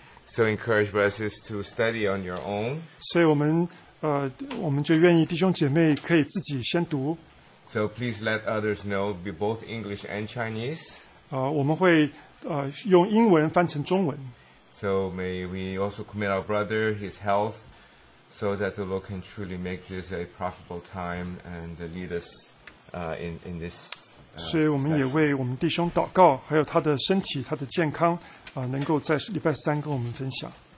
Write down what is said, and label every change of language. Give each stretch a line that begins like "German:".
English: So encourage brothers to study on your own.
Chinese: 所以我们就愿意弟兄姐妹可以自己先读。
English: So please let others know, be both English and Chinese.
Chinese: 我们会用英文翻成中文。
English: So may we also commit our brother, his health, so that the Lord can truly make this a profitable time and lead us in this.
Chinese: 所以我们也为我们弟兄祷告，还有他的身体、他的健康，能够在礼拜三跟我们分享。